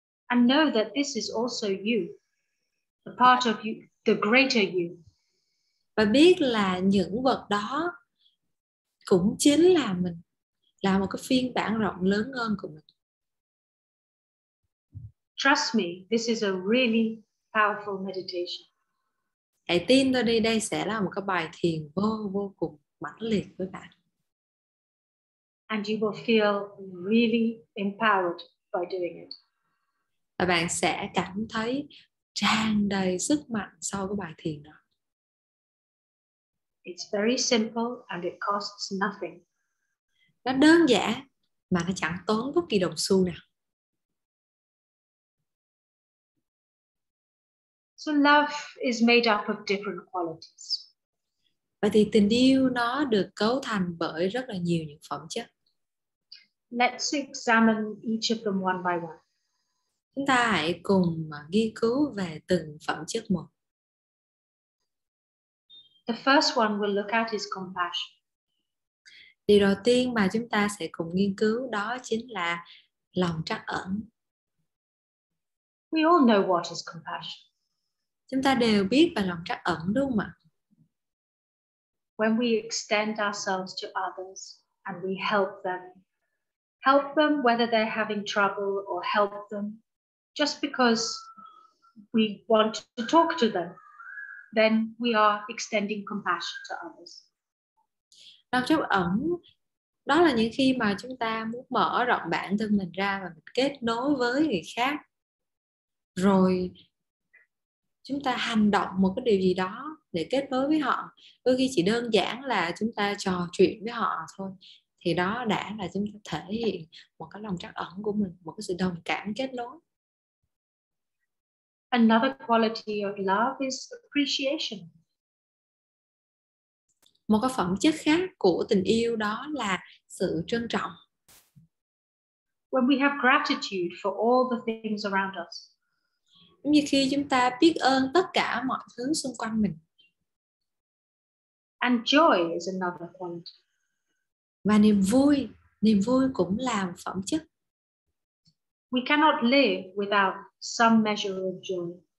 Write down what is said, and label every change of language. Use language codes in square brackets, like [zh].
[en] And know that this is also you. The part of you, the greater you. [vi] Và biết là những vật đó cũng chính là mình, là một cái phiên bản rộng lớn hơn của mình. [en] Trust me, this is a really powerful meditation. [vi] Hãy tin tôi đi, đây sẽ là một cái bài thiền vô vô cùng mãnh liệt với bạn. [en] And you will feel really empowered by doing it. [vi] Và bạn sẽ cảm thấy tràn đầy sức mạnh sau cái bài thiền đó. [en] It's very simple and it costs nothing. [vi] Nó đơn giản mà nó chẳng tốn bất kỳ đồng xu nào. [en] So love is made up of different qualities. [vi] Vậy thì tình yêu nó được cấu thành bởi rất là nhiều những phẩm chất. [en] Let's examine each of them one by one. [vi] Chúng ta hãy cùng ghi cứu về từng phẩm chất một. [en] The first one we'll look at is compassion. [vi] Điều đầu tiên mà chúng ta sẽ cùng nghiên cứu đó chính là lòng trắc ẩn. [en] We all know what is compassion. [vi] Chúng ta đều biết về lòng trắc ẩn đúng không ạ? [en] When we extend ourselves to others and we help them. Help them whether they're having trouble or help them just because we want to talk to them. Then we are extending compassion to others. [vi] Lòng trắc ẩn đó là những khi mà chúng ta muốn mở rộng bản thân mình ra và mình kết nối với người khác. Rồi chúng ta hành động một cái điều gì đó để kết nối với họ. Đôi khi chỉ đơn giản là chúng ta trò chuyện với họ thôi. Thì đó đã là chúng ta thể hiện một cái lòng trắc ẩn của mình, một cái sự đồng cảm kết nối. [en] Another quality of love is appreciation. [vi] Một cái phẩm chất khác của tình yêu đó là sự trân trọng. [en] When we have gratitude for all the things around us. [vi] Giống như khi chúng ta biết ơn tất cả mọi thứ xung quanh mình. [en] And joy is another quality. [vi] Và niềm vui cũng là một phẩm chất. [en] We cannot live without some measure of joy.